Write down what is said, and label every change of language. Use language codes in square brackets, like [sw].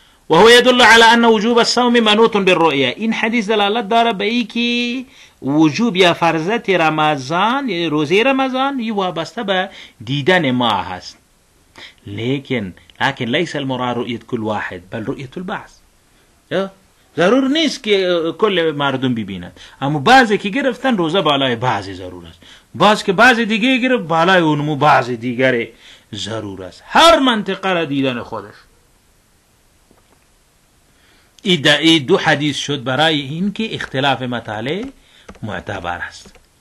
[ar] و هو يدل على ان وجوب الصوم منوط بالرؤيا، [fa] این حدیث دلالت داره به ای که وجوب یا فرضت رمضان روزه رمضان یو وابسته به دیدن ماه است. [ar] لكن ليس المراد رؤية كل واحد، بل رؤية البعض. [fa] ضرور نیست که کل مردم ببینند، اما بعضی که گرفتن روزه بالای بعضی ضرور است، بعضی که بعضی دیگه گرفت بالای اونمو بعضی دیگری ضرور است، هر منطقه را دیدن خودش. ای دو حدیث شد برای این که اختلاف مطالعه معتبر است.